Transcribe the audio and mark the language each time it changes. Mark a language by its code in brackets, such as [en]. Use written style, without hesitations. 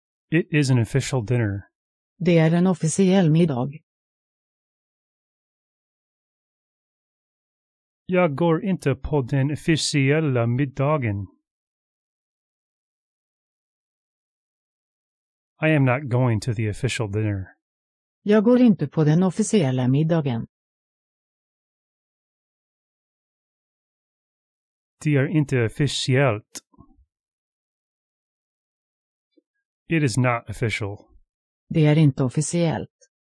[en] It is an official dinner. [sv] Det är en officiell middag. Jag går inte på den officiella middagen. [en] I am not going to the official dinner. [sv] Jag går inte på den officiella middagen. Det är inte officiellt. [en] It is not official. [sv] Det är inte officiellt.